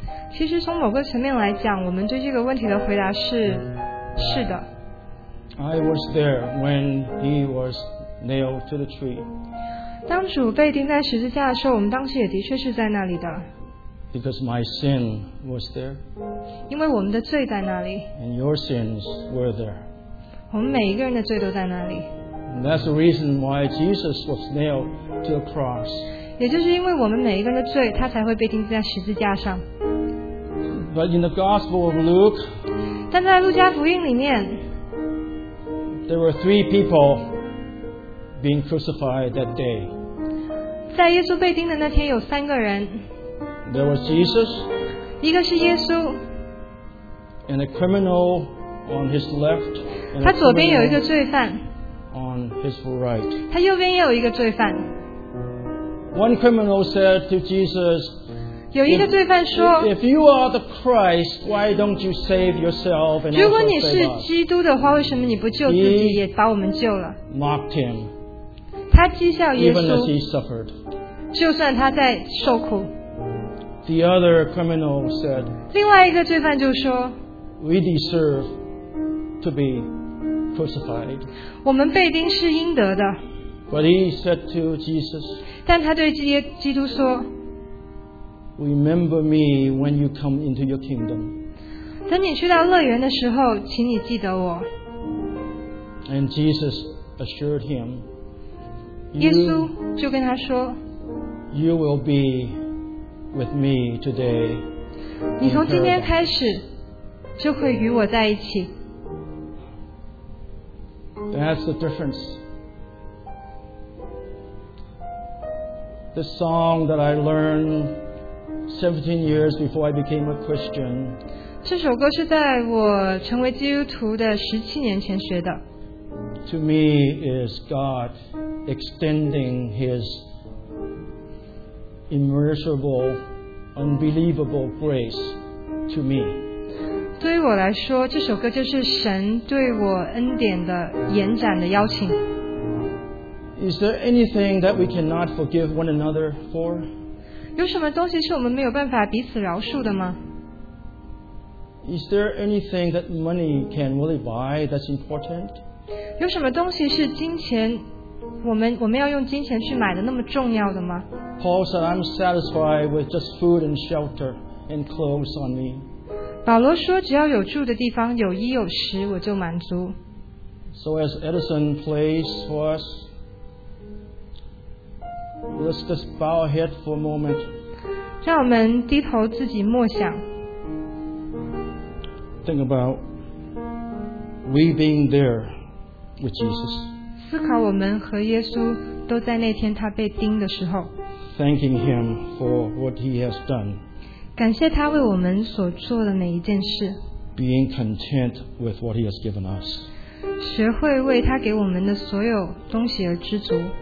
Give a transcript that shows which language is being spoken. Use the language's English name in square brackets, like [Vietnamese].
[Chinese] 其实从某个层面来讲，我们对这个问题的回答是是的。 [English] I was there when he was nailed to the tree. [Chinese] 当主被钉在十字架的时候，我们当时也的确是在那里的。 [English] Because my sin was there. [Chinese] 因为我们的罪在那里。 [English] And your sins were there. [Chinese] 我们每一个人的罪都在那里。 [English] And that's the reason why Jesus was nailed to the cross. [Chinese] 也就是因为我们每一个人的罪，他才会被钉在十字架上。 [English] But in the Gospel of Luke, [Chinese] 但在路加福音里面。 [English] There were three people being crucified that day. [Chinese] 在耶稣被钉的那天有三个人。 [English] There was Jesus. [Chinese] 一个是耶稣。 [English] And a criminal on his left. [Chinese] 他左边有一个罪犯。 [English] On his right. [Chinese] 他右边也有一个罪犯。 [English] One criminal said to Jesus, [Chinese] 有一个罪犯说 [English] if you are the Christ, why don't you save yourself and also save us? [Chinese] 如果你是基督的话，为什么你不救自己也把我们救了？ [English] He mocked him. [Chinese] 他讥笑耶稣。 [English] Even as he suffered. [Chinese] 就算他在受苦。 [English] The other criminal said, [Chinese] 另外一个罪犯就说 [English] We deserve to be crucified. [Chinese] 我们被钉是应得的。 [English] But he said to Jesus, [Chinese] 但他对基督说 [English] Remember me when you come into your kingdom. [Chinese] 等你去到乐园的时候，请你记得我。 [English] And Jesus assured him, [Chinese] 耶稣就跟他说 [English] You will be with me today. [Chinese] 你从今天开始就会与我在一起。 [English] That's the difference. The song that I learned 17 years before I became a Christian. [Chinese] 这首歌是在我成为基督徒的17年前学的。 [English] To me is God extending his immeasurable unbelievable grace to me. [Chinese] 对于我来说，这首歌就是神对我恩典的延展的邀请。 [English] Is there anything that we cannot forgive one another for? [Chinese] 有什么东西是我们没有办法彼此饶恕的吗？ [English] Is there anything that money can really buy that's important? [Chinese] 有什么东西是金钱我们要用金钱去买的那么重要的吗？ [English] Paul said, I'm satisfied with just food and shelter and clothes on me. [Chinese] 保罗说只要有住的地方有衣有食我就满足。 [English] So as Edison plays for us, let's just bow our head for a moment. [Chinese] 让我们低头自己默想。 [English] Think about we being there with Jesus. [Chinese] 思考我们和耶稣都在那天他被钉的时候。 [English] Thanking him for what he has done. [Chinese] 感谢他为我们所做的每一件事。 [English] Being content with what he has given us. [Chinese] 学会为他给我们的所有东西而知足。